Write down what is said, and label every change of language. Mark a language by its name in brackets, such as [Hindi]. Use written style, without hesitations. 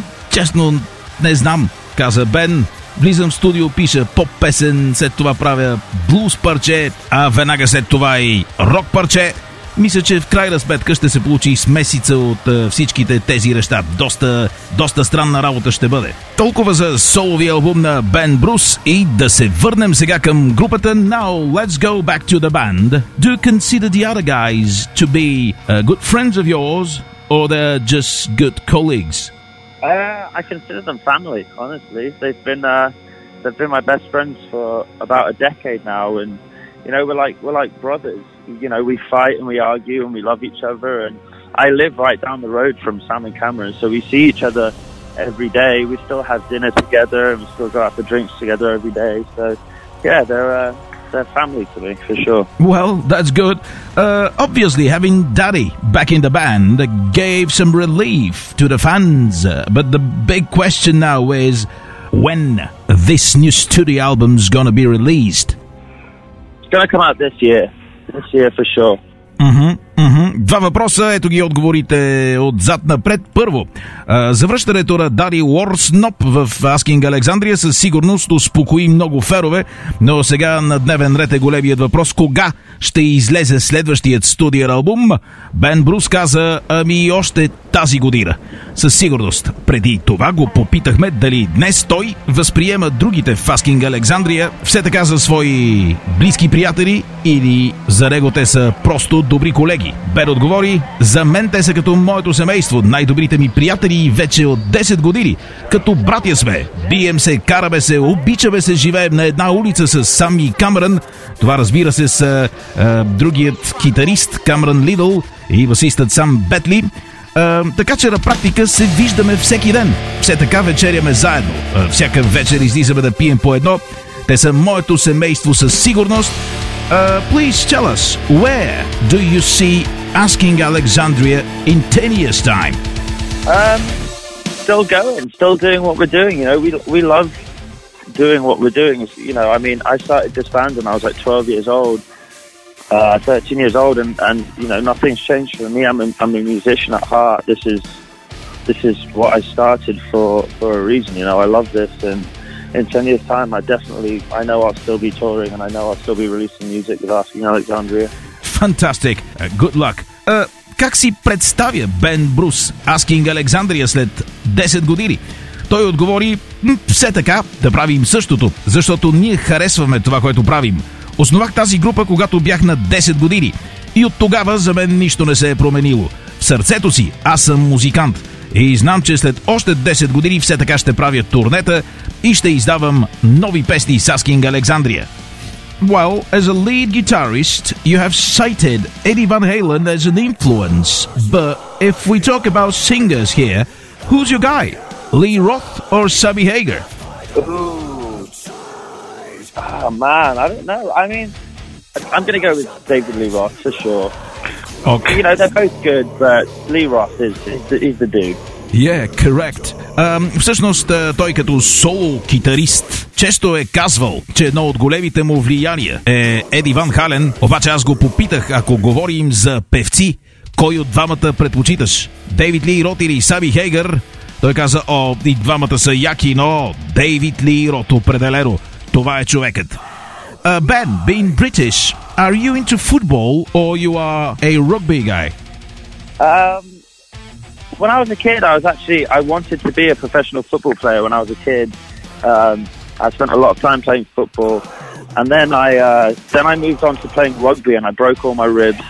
[Bulgarian] Честно, не знам, каза Бен. Влизам в студио, пиша поп-песен, след това правя блуз парче, а веднага след това и рок парче. Мисля, че в крайна сметка ще се получи смесица от всичките тези неща. Доста, доста странна работа ще бъде. Толкова за соловия албум на Бен Брус и да се върнем сега към групата [English] Now Let's Go Back to the Band. Do you consider the other guys to be good friends of yours or they're just good colleagues? I consider them family, honestly. They've been my best friends for about a decade now and you know, we're like brothers. You know, we fight and we argue and we love each other. And I live right down the road from Sam and Cameron. So we see each other every day. We still have dinner together and we still go out for drinks together every day. So, yeah, they're family to me, for sure. Well, that's good. Obviously, having Daddy back in the band gave some relief to the fans. But the big question now is when this new studio album's going to be released? Gonna come out this year for sure. [Bulgarian] Два въпроса, ето ги отговорите отзад напред. Първо, завръщането на Дари Уорснап в Asking Alexandria със сигурност успокои много ферове, но сега на дневен ред е големият въпрос. Кога ще излезе следващият студиен албум? Бен Брус каза, още тази година. Със сигурност. Преди това го попитахме дали днес той възприема другите в Asking Alexandria все така за свои близки приятели или за него те са просто добри колеги. Бен отговори, за мен те са като моето семейство, най-добрите ми приятели вече от 10 години. Като братя сме, бием се, караме се, обичаме се, живеем на една улица с Сам и Камерън. Това разбира се с другият китарист Камерън Лидъл и басистът Сам Бетли. Така че на практика се виждаме всеки ден. Все така вечеряме заедно. Всяка вечер излизаме да пием по едно. Те са моето семейство със сигурност. [English] Please tell us, where do you see Asking Alexandria in 10 years' time? Still going, still doing what we're doing, you know, we love doing what we're doing. You know, I mean, I started this band when I was like 12 years old, 13 years old, and you know, nothing's changed for me. I'm a musician at heart. This is what I started for a reason, you know, I love this, and in 10 years' time, I know I'll still be touring and I know I'll still be releasing music with Asking Alexandria. Fantastic. Good luck. Как си представя Бен Брус Asking Alexandria след 10 години? Той отговори, все така, да правим същото, защото ние харесваме това, което правим. Основах тази група, когато бях на 10 години. И от тогава за мен нищо не се е променило. В сърцето си аз съм музикант. И знам, че след още 10 години все така ще правя турнета и ще издавам нови песни с Asking Alexandria. Well, as a lead guitarist, you have cited Eddie Van Halen as an influence. But if we talk about singers here, who's your guy? Lee Roth or Sammy Hagar? Ooh. Oh, man, I don't know. I mean, I'm going to go with David Lee Roth for sure. Okay. You know, they're both good, but Lee Roth is the dude. Yeah, correct. [Bulgarian] Всъщност, той като соло-китарист често е казвал, че едно от големите му влияния е Еди Ван Хален. Обаче аз го попитах, ако говорим за певци, кой от двамата предпочиташ? Дейвид Ли Рот или Сами Хейгър? Той каза, и двамата са яки, но Дейвид Ли Рот определено. Това е човекът. [English] Бен, being British, are you into football or you are a rugby guy? When I was a kid, I wanted to be a professional football player when I was a kid. I spent a lot of time playing football. And then I moved on to playing rugby and I broke all my ribs.